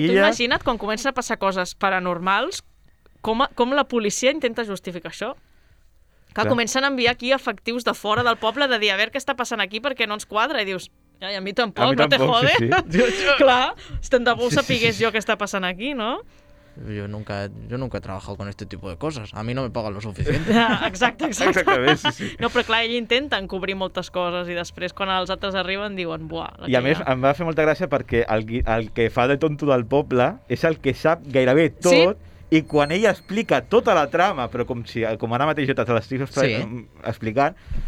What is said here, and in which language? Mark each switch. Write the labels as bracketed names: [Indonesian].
[Catalan] Tu imagina't quan comencen a passar coses paranormals, com la policia intenta justificar això? Que comencen a enviar aquí efectius de fora del poble de dir, a veure què està passant aquí perquè no ens quadra, i dius, ai, a mi tampoc, a mi tampoc, [Spanish] no te [Catalan] sí, [Spanish] jode? [Catalan] Sí. Clar, tant de bo sapigués jo què està passant aquí, no? [Spanish] Jo nunca he trabajado con este tipo de cosas. A mí no me pagan lo suficiente. [Catalan] Exacte. Exactament, sí. No, però clar, ell intenta encobrir moltes coses i després, quan els altres arriben, diuen, buah... I a més, em va fer molta gràcia perquè el que fa de tonto del poble és el que sap gairebé tot, sí? I quan ell explica tota la trama, però com ara mateix jo te l'estic explicant...